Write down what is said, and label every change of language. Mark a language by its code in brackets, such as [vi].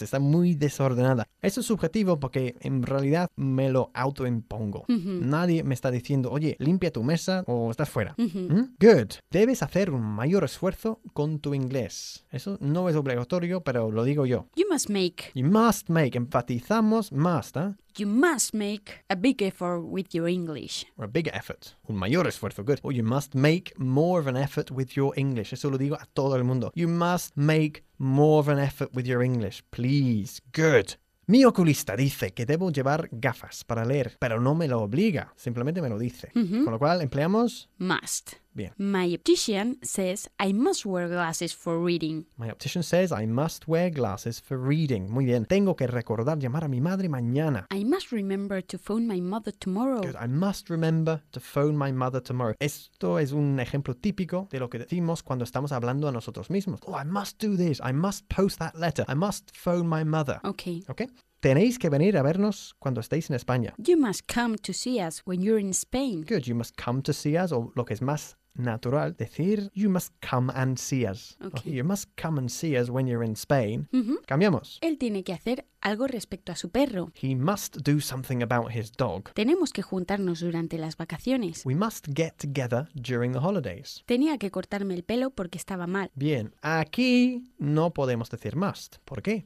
[es] Está muy desordenada. Eso es subjetivo porque... En realidad me lo autoimpongo. Uh-huh. Nadie me está diciendo, oye, limpia tu mesa o estás fuera. Uh-huh. ¿Mm? [en] Good. [es] Debes hacer un mayor esfuerzo con tu inglés. Eso no es obligatorio, pero lo digo yo. [en] You must make. You must make. [es] Enfatizamos must, ¿eh? [en] You must make a big effort with your English. Or a big effort. [es] Un mayor esfuerzo. [en] Good. Or you must make more of an effort with your English. [es] Eso lo digo a todo el mundo. [en] You must make more of an effort with your English. Please. Good. [es] Mi oculista dice que debo llevar gafas para leer, pero no me lo obliga, simplemente me lo dice. Mm-hmm. Con lo cual empleamos... [en] Must. [es] Bien. [en] My optician says I must wear glasses for reading. My optician says I must wear glasses for reading. [es] Muy bien. Tengo que recordar llamar a mi madre mañana. [en] I must remember to phone my mother tomorrow. Good. I must remember to phone my mother tomorrow. [es] Esto es un ejemplo típico de lo que decimos cuando estamos hablando a nosotros mismos. [en] Oh, I must do this. I must post that letter. I must phone my mother. Okay. Okay. [es] Tenéis que venir a vernos cuando estéis en España. [en] You must come to see us when you're in Spain. Good, you must come to see us, [es] o lo que es más natural, decir [en] you must come and see us. Okay. You must come and see us when you're in Spain. Mm-hmm. [es] Cambiamos. Él tiene que hacer algo respecto a su perro. [en] He must do something about his dog. [es] Tenemos que juntarnos durante las vacaciones. [en] We must get together during the holidays. [es] Tenía que cortarme el pelo porque estaba mal. Bien, aquí no podemos decir must. ¿Por qué?